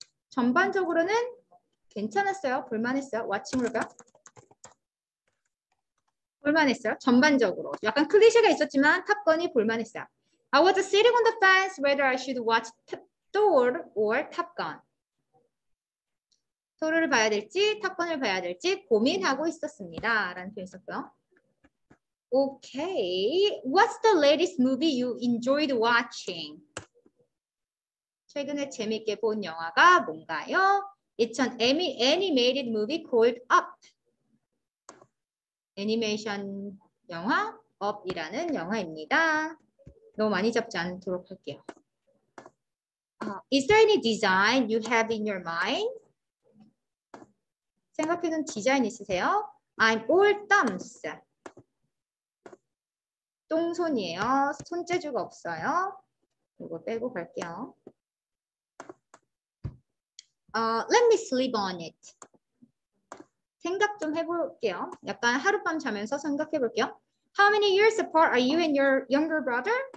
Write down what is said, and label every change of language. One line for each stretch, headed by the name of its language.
Korean: 전반적으로는 괜찮았어요. 볼만했어요. Watching 볼까요? 볼만했어요. 전반적으로. 약간 클리셰가 있었지만 탑건이 볼만했어요.
English: I was sitting on the fence whether I should watch Thor or Top Gun.
Korean: 토르를 봐야 될지 탑건을 봐야 될지 고민하고 있었습니다. 라는 표현이 있었고요. Okay.
English: What's the latest movie you enjoyed watching?
Korean: 최근에 재밌게 본 영화가 뭔가요?
English: It's an animated movie called Up.
Korean: 애니메이션 영화 업이라는 영화입니다. 너무 많이 잡지 않도록 할게요.
English: Is there any design you have in your mind?
Korean: 생각해둔 디자인 있으세요?
English: I'm all thumbs.
Korean: 똥손이에요. 손재주가 없어요. 이거 빼고 갈게요.
English: Let me sleep on it.
Korean: 생각 좀 해볼게요. 약간 하룻밤 자면서 생각해볼게요.
English: How many years apart are you and your younger brother?